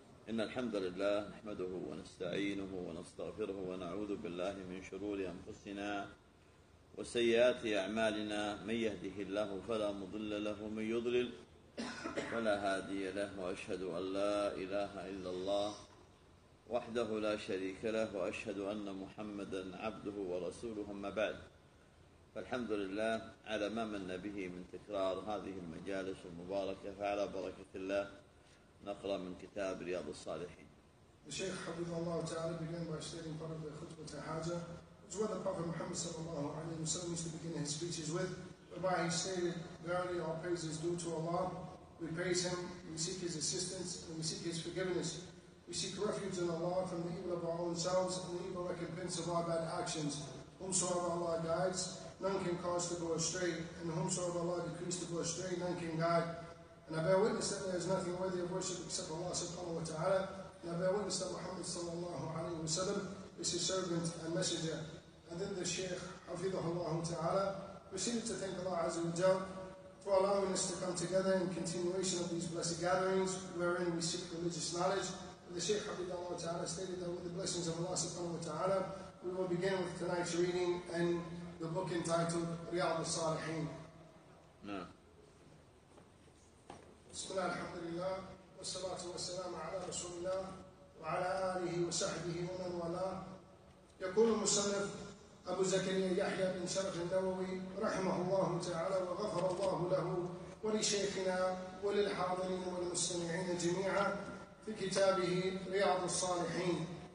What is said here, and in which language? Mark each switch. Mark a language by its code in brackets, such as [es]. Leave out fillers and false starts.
[ar] إن الحمد لله نحمده ونستعينه ونستغفره ونعوذ بالله من شرور أنفسنا وسيئات أعمالنا، من يهده الله فلا مضل له، من يضلل فلا هادي له، وأشهد أن لا إله إلا الله وحده لا شريك له، وأشهد أن محمدا عبده ورسوله، أما بعد. فالحمد لله على ما من به من تكرار هذه المجالس المباركة، فعلى بركة الله نقرأ من كتاب رياض الصالحين. الشيخ حفظه الله تعالى [en] began by stating part of the خطبة الحاجة, which was the Prophet Muhammad [ar] صلى الله عليه وسلم [en] used to begin his speeches with, whereby he stated, "Verily all praise is due to Allah. We praise Him, we seek His assistance, and we seek His forgiveness. We seek refuge in Allah from the evil of our own selves and the evil recompense of our bad actions. Whomsoever Allah guides, none can cause to go astray, and whomsoever Allah decrees to go astray, none can guide. And I bear witness that there is nothing worthy of worship except Allah subhanahu wa ta'ala. And I bear witness that Muhammad sallallahu alayhi wa sallam is his servant and messenger." And then the Shaykh, hafidhahullah ta'ala, proceeded to thank Allah azza wa jal for allowing us to come together in continuation of these blessed gatherings wherein we seek religious knowledge. And the Shaykh, hafidhahullah ta'ala, stated that with the blessings of Allah subhanahu wa ta'ala, we will begin with tonight's reading and the book entitled Riyad al-Salihin. No. [ar] بسم الله الحمد لله والصلاة والسلام على رسول الله وعلى آله وصحبه ومن والاه. يقول المصنف أبو زكريا يحيى بن شرح النووي رحمه الله تعالى وغفر الله له ولشيخنا وللحاضرين والمستمعين جميعا في كتابه رياض الصالحين,